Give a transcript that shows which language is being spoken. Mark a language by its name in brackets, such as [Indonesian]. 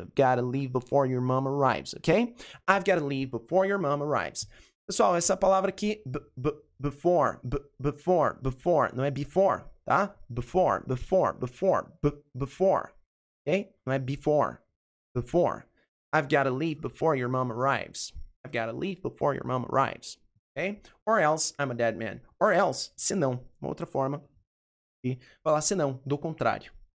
[English] I've gotta leave before your mom arrives, ok? I've gotta leave before your mom arrives. [Portuguese] Pessoal, essa palavra aqui, before, before, before, não é before, tá? [English] Before, before, before, before. Okay? My before. Before. I've got to leave before your mom arrives. I've got to leave before your mom arrives. Okay? Or else, I'm a dead man. Or else, [Portuguese] se não. Uma outra forma de falar se não, do contrário.